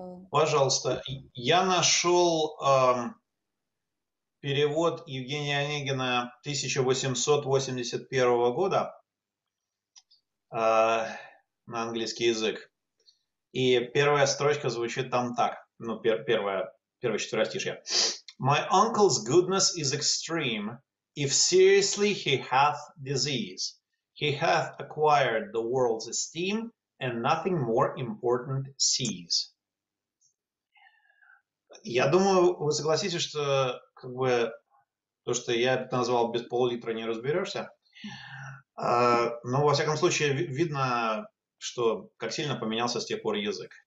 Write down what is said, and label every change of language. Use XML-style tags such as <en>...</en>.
<ru>Пожалуйста, я нашел перевод Евгения Онегина 1881 года на английский язык. И первая строчка звучит там так. Ну, первое четверостишье.</ru> <en>My uncle's goodness is extreme. If seriously he hath disease, he hath acquired the world's esteem and nothing more important sees.</en> <ru>Я думаю, вы согласитесь, что как бы то, что я назвал без пол-литра не разберешься. Но, во всяком случае, видно, что как сильно поменялся с тех пор язык.</ru>